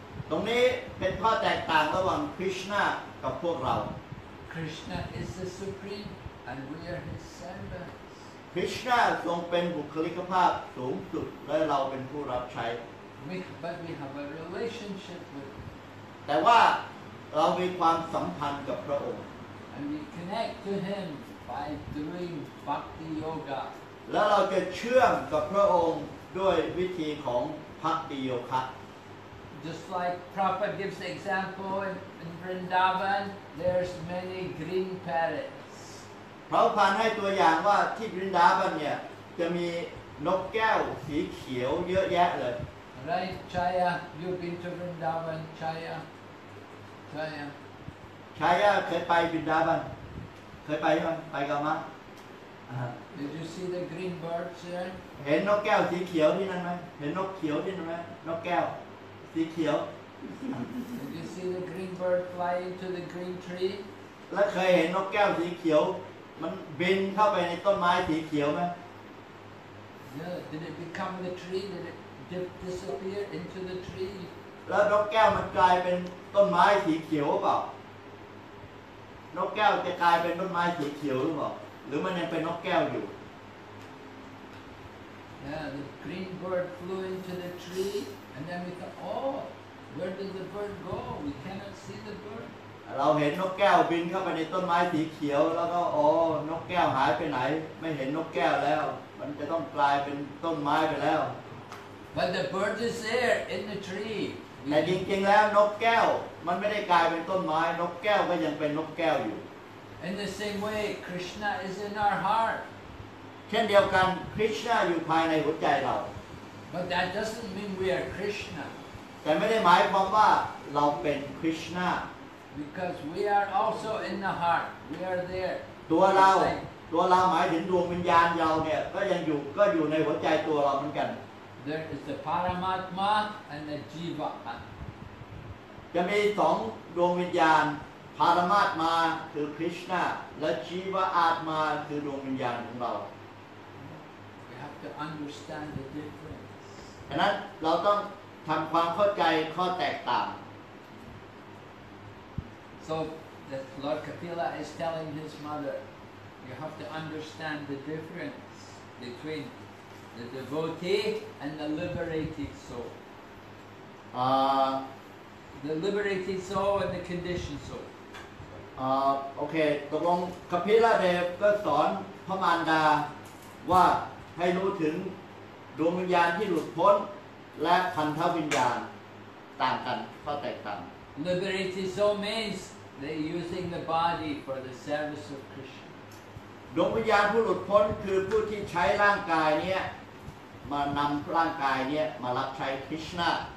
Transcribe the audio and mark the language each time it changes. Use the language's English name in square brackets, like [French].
[Thai] ตรงนี้เป็นข้อแตกต่างระหว่าง Krishna กับพวกเรา [English] Krishna is the supreme and we are his servants [Thai] Krishna ทรงเป็นบุคลิกภาพสูงสุดและเราเป็นผู้รับใช้ [English] But we have a relationship with [Thai] แต่ว่าเรามีความสัมพันธ์กับพระองค์ [English] And we connect to him by doing bhakti yoga [Thai] แล้วเราจะเชื่อมกับพระองค์ด้วยวิธีของบัคติโยคะ [English] Just like Prabhupada gives the example in Vrindavan there's many green parrots [Thai] พระองค์ให้ตัวอย่างว่าที่ Vrindavan เนี่ยจะมีนกแก้วสีเขียวเยอะแยะเลย [English] Right, Chaya, you've been to Vrindavan, Chaya. Chaya. [Thai] Chaya, เคยไปบินดาบันเคยไปไหมไปกันมั้ย [English] Did you see the green birds there? [Thai] เห็นนกแก้วสีเขียวที่นั่นไหมเห็นนกเขียวที่นั่นไหมนกแก้วสีเขียว [English] Did you see the green bird fly into the green tree? [Thai] แล้วเคยเห็นนกแก้วสีเขียวมันบินเข้าไปในต้นไม้สีเขียวไหม [English] Yeah, did it become the tree? Did it? Disappear into the tree. [Thai] แล้วนกแก้วมันกลายเป็นต้นไม้สีเขียวหรือเปล่า นกแก้วจะกลายเป็นต้นไม้สีเขียวหรือเปล่า หรือมันยังเป็นนกแก้วอยู่ [English] Yeah, the green bird flew into the tree, and then we thought, oh, where did the bird go? We cannot see the bird. [Thai] เราเห็นนกแก้วบินเข้าไปในต้นไม้สีเขียวแล้วก็โอ้นกแก้วหายไปไหนไม่เห็นนกแก้วแล้วมันจะต้องกลายเป็นต้นไม้ไปแล้ว [English] But the bird is there in the tree. [Thai] แต่จริงๆแล้วนกแก้วมันไม่ได้กลายเป็นต้นไม้นกแก้วก็ยังเป็นนกแก้วอยู่ [English] In the same way, Krishna is in our heart. [Thai] เช่นเดียวกัน Krishna อยู่ภายในหัวใจเรา [English] But that doesn't mean we are Krishna. [Thai] แต่ไม่ได้หมายความว่าเราเป็นคริชนา [English] Because we are also in the heart. We are there. [Thai] ตัวเราตัวเราหมายถึงดวงวิญญาณเราเนี่ยก็ยังอยู่ก็อยู่ในหัวใจตัวเราเหมือนกัน [English] There is the Paramatma and the Jiva. [Thai] จะมีสองดวงวิญญาณปรมาตมาคือคริชนาและชีวอาตมาคือดวงวิญญาณของเรา [English] We have to understand the difference [Thai] ฉะนั้นเราต้องทำความเข้าใจข้อแตกต่าง [English] So the Lord Kapila is telling his mother you have to understand the difference between the devotee and the liberated soul the liberated soul and the conditioned soul [Thai] โอเคตกลงคัมภีร์เดฟก็สอนพระมารดาว่าให้รู้ถึงดวงวิญญาณที่หลุดพ้นและพันธวิญญาณต่างกันข้อแตกต่าง [English] Liberated soul means they using the body for the service of Krishna [Thai] ดวงวิญญาณผู้หลุดพ้นคือผู้ที่ใช้ร่างกายเนี้ยมานำร่างกายเนี้ยมารับใช้คริชนา